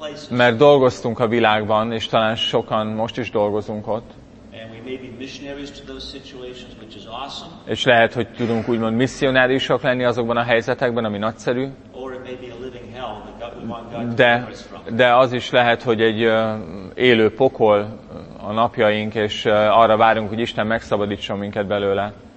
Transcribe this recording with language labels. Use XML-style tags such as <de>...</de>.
<hu>Mert dolgoztunk a világban, és talán sokan most is dolgozunk ott.</hu> <en>And we maybe missionaries to those situations, which is awesome.</en> <hu>És lehet, hogy tudunk úgymond misszionáriusok lenni azokban a helyzetekben, ami nagyszerű.</hu> <en>Or it may be a living hell that one God delivers from.</en> <hu>De az is lehet, hogy egy élő pokol a napjaink, és arra várunk, hogy Isten megszabadítson minket belőle.</hu>